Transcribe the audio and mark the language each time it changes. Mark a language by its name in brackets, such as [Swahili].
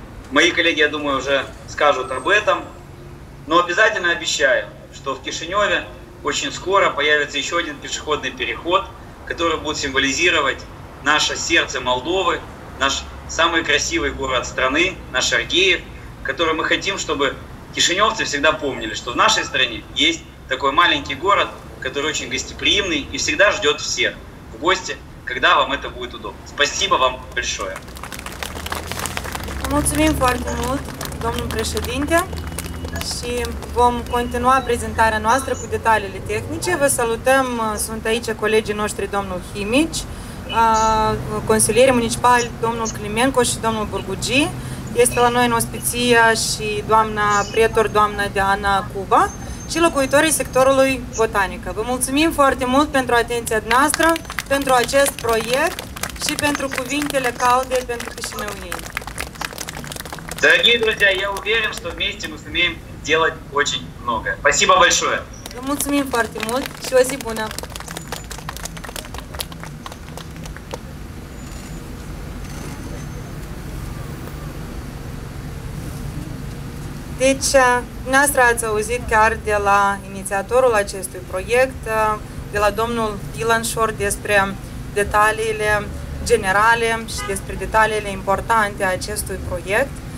[Russian] Мои коллеги, я думаю, уже скажут об этом. Но обязательно обещаю, что в Кишиневе очень скоро появится еще один пешеходный переход, который будет символизировать наше сердце Молдовы, наш самый красивый город страны, наш Аргеев, который мы хотим, чтобы кишиневцы всегда помнили, что в нашей стране есть такой маленький город, который очень гостеприимный и всегда ждет всех в гости, когда вам это будет удобно. Спасибо вам большое. [Romanian] Mulțumim foarte mult, domnul președinte, și vom continua prezentarea noastră cu detaliile tehnice. Vă salutăm, sunt aici colegii noștri, domnul Chimici, consilierii municipali, domnul Climenco și domnul Burgugi. Este la noi în ospiția și doamna prietor, doamna Diana Cuba și locuitorii sectorului Botanică. Vă mulțumim foarte mult pentru atenția noastră, pentru acest proiect și pentru cuvintele calde pentru Chișinău. [Russian] Дорогие друзья, я уверен, что вместе мы сумеем делать очень много. Спасибо большое! [Romanian] Vă mulțumim foarte mult și o zi bună! Deci, dumneavoastră ați auzit chiar de la inițiatorul acestui proiect, de la domnul Ilan Șor, despre detaliile generale și despre detaliile importante a acestui proiect.